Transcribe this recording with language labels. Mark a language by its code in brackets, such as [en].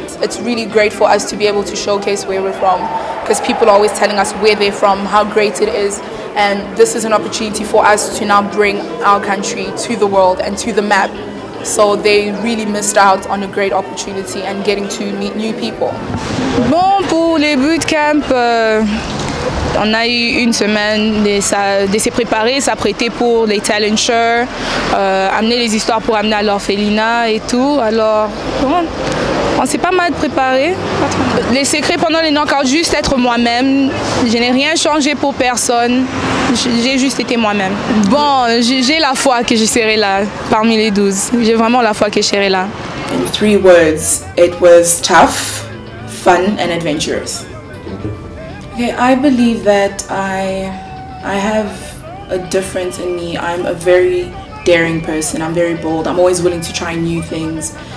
[en] It's really great for us to be able to showcase where we're from, because people are always telling us where they're from, how great it is, and this is an opportunity for us to now bring our country to the world and to the map. So they really missed out on a great opportunity and getting to meet new people. [fr] Bon, pour les bootcamps, on a eu une semaine de se préparer, s'apprêter pour les talent shows, amener les histoires pour amener à l'orphelinat et tout. Alors, bon, on s'est pas mal préparé. Les secrets pendant les knockouts, juste être moi-même. Je n'ai rien changé pour personne. J'ai juste été moi-même. Bon, j'ai la foi que je serai là parmi les 12. J'ai vraiment la foi que je serai là. [en] In three words, it was tough, fun and adventurous. Okay, I believe that I have a difference in me. I'm a very daring person. I'm very bold. I'm always willing to try new things.